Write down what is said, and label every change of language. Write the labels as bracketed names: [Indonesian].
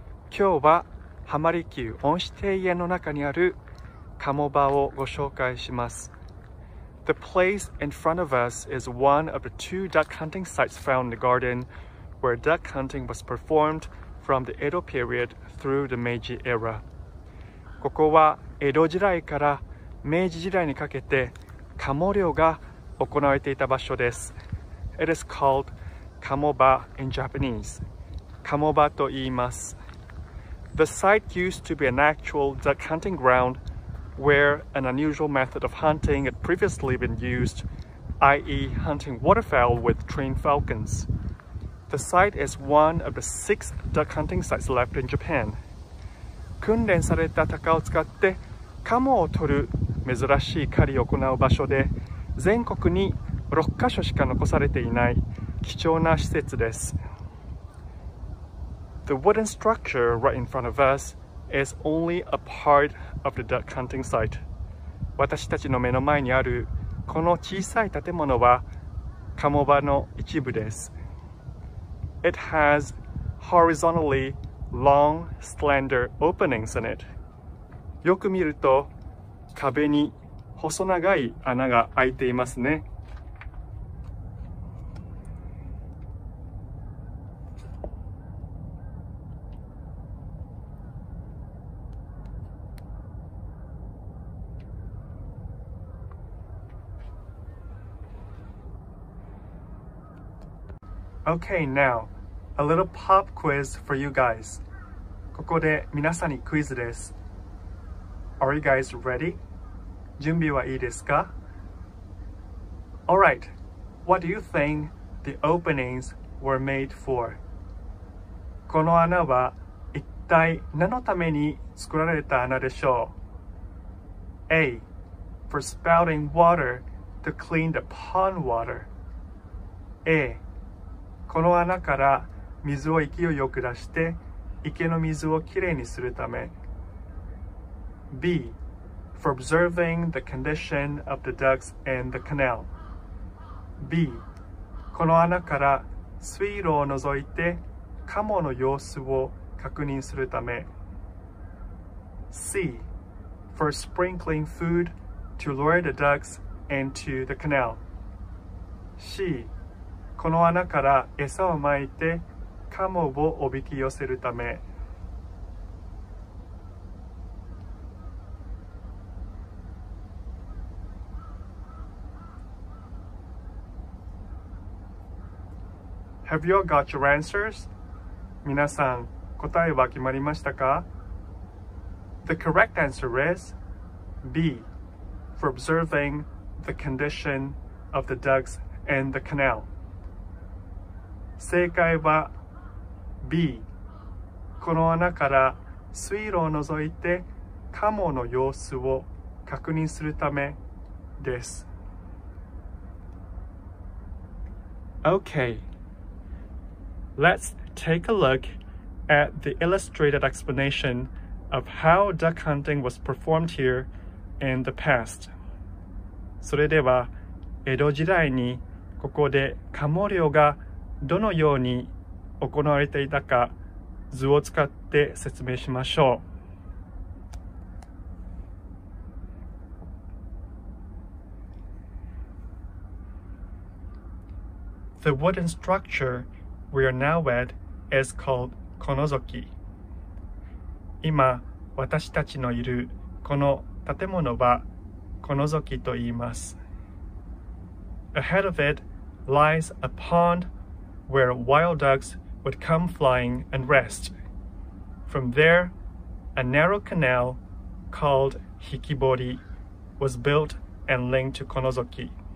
[Japanese] 今日は、Hama-rikyu 恩賜庭園の中にある Kamoba をご紹介します。 [English] The place in front of us is one of the two duck hunting sites found in the garden where duck hunting was performed from the Edo period through the Meiji era. [Japanese] ここは江戸時代から明治時代にかけてカモ漁が行われていた場所です。 [English] It is called Kamoba in Japanese. [Japanese] カモバと言います。 [English] The site used to be an actual duck hunting ground where an unusual method of hunting had previously been used, i.e. hunting waterfowl with trained falcons. The site is one of the six duck hunting sites left in Japan. [Japanese] 訓練された鷹を使ってカモを取る珍しい狩りを行う場所で、全国に6カ所しか残されていない貴重な施設です。 [English] The wooden structure right in front of us is only a part of the duck hunting site. [Japanese] 私たちの目の前にあるこの小さい建物はカモ場の一部です。 [English] It has horizontally long, slender openings in it. [Japanese] よく見ると、壁に細長い穴が開いていますね。 [English] Okay, now, a little pop quiz for you guys. [Japanese] ここで皆さんにクイズです。 [English] Are you guys ready? [Japanese] 準備はいいですか? [English] All right, what do you think the openings were made for? [Japanese] この穴は一体何のために作られた穴でしょう? [English] A. For spouting water to clean the pond water. A. [Japanese] この穴から水を勢いよく出して池の水をきれいにするため。 [English] B. For observing the condition of the ducks in the canal. B. [Japanese] この穴から水路を除いてカモの様子を確認するため。 [English] C. For sprinkling food to lure the ducks into the canal. C. [Japanese] この穴から餌をまいてカモをおびき寄せるため。 [English] Have you got your answers? [Japanese] 皆さん、答えは決まりましたか? [English] The correct answer is B. For observing the condition of the ducks in the canal. [Japanese] 正解は B. この穴から水路を除いてカモの様子を確認するためです。 [English] Okay. Let's take a look at the illustrated explanation of how duck hunting was performed here in the past. [Japanese] それでは、江戸時代にここでカモ漁がどのように行われていたか図を使って説明しましょう。 [English] The wooden structure we are now at is called このぞき。 [Japanese] 今私たちのいるこの建物はこのぞきと言います。 [English] Ahead of it lies a pondwhere wild ducks would come flying and rest. From there, a narrow canal called Hikibori was built and linked to Konozoki.